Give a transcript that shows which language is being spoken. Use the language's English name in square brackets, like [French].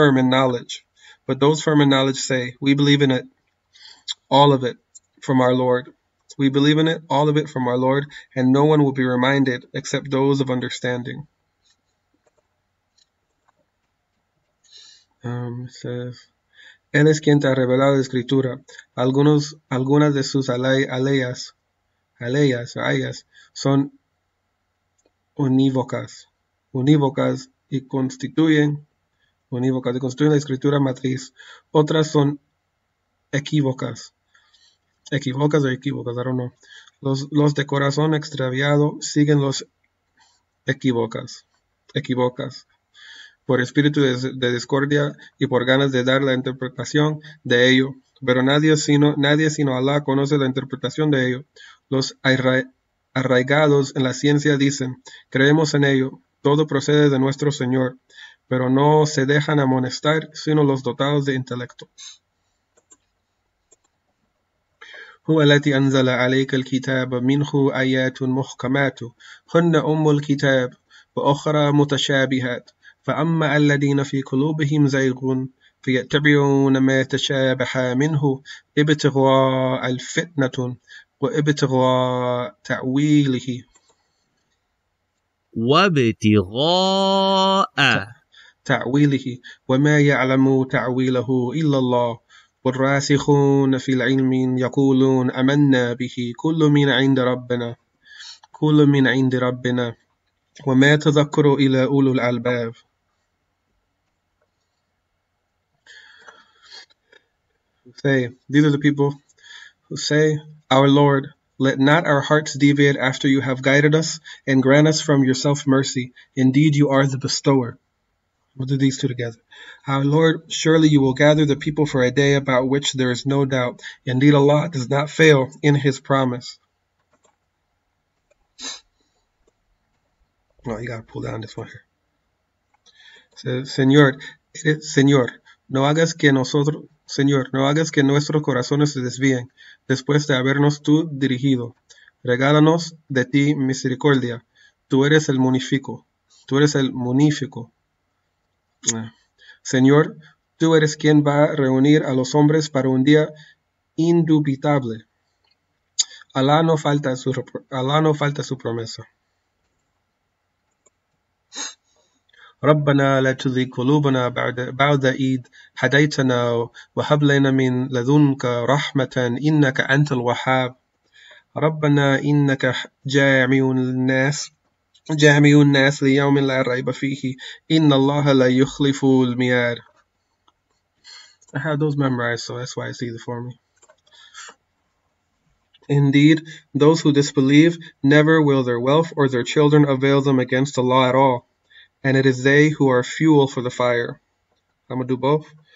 [English] But those firm in knowledge say, we believe in it, all of it, from our Lord. We believe in it, all of it, from our Lord, and no one will be reminded except those of understanding. It says, [Spanish] Él es quien te ha revelado la Escritura. Algunas de sus aleyas son unívocas. Y constituyen la escritura matriz. Otras son equívocas, [English] I don't know. [Spanish] Los de corazón extraviado siguen los equívocas. Por espíritu de discordia y por ganas de dar la interpretación de ello. Pero nadie sino Allah conoce la interpretación de ello. Los arraigados en la ciencia dicen, creemos en ello. Todo procede de nuestro Señor, pero no se dejan amonestar sino los dotados de intelecto. [Arabic] هو الذي أنزل عليك الكتاب منه آيات محكمات هن أم الكتاب وأخرى متشابهات فأما الذين في قلوبهم زيغ فيتبعون ما تشابه منه ابتغاء الفتنة وابتغاء تأويله. وابتغاء تعويله وما يعلم تعويله إلا الله والراسخون في العلم يقولون آمنا به كل من عند ربنا كل من عند ربنا وما تذكر إلا أولو الألباب. [English] Say, these are the people who say, Our Lord, let not our hearts deviate after you have guided us and grant us from yourself mercy. Indeed, you are the bestower. We'll do these two together. Our Lord, surely you will gather the people for a day about which there is no doubt. Indeed, Allah does not fail in his promise. Well, you got to pull down this one here. [Spanish] So, Señor, no hagas que nosotros... Señor, no hagas que nuestros corazones se desvíen después de habernos tú dirigido. Regálanos de ti misericordia. Tú eres el munífico. Tú eres el munífico. Señor, tú eres quien va a reunir a los hombres para un día indubitable. Alá no falta su promesa. [Arabic] ربنا لا تزغ قلوبنا بعد إذ هديتنا وهب لنا من لدنك رحمة إنك أنت الوهاب ربنا إنك جامع الناس ليوم لا ريب فيه إن الله لا يخلف الميعاد. [English] I had those memorized, so that's why it's easy for me. Indeed, those who disbelieve, never will their wealth or their children avail them against Allah at all. And it is they who are fuel for the fire. I'm going to do both.